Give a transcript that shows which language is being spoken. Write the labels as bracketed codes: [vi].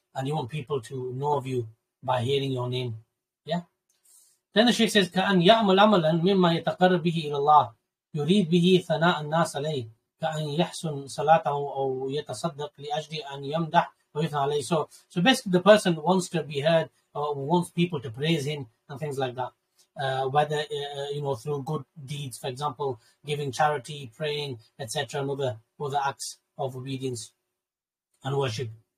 [en] And you want people to know of you by hearing your name. Yeah? Then the Shaykh says, [ar] كَأَنْ يَعْمَلْ عَمَلًا مِمَّا يَتَقَرَّ بِهِ إِلَى اللَّهِ يُرِيد بِهِ ثَنَاءَ النَّاسَ عَلَيْهِ كَأَنْ يَحْسُنْ صَلَاتَهُ أَوْ يَتَصَدَّقْ لِأَجْلِ أَنْ يَمْدَحْ وَيُثْنَ عَلَيْهِ. [en] So basically the person wants to be heard, or wants people to praise him and things like that. Whether through good deeds, for example, giving charity, praying, etc., and other acts of obedience and worship.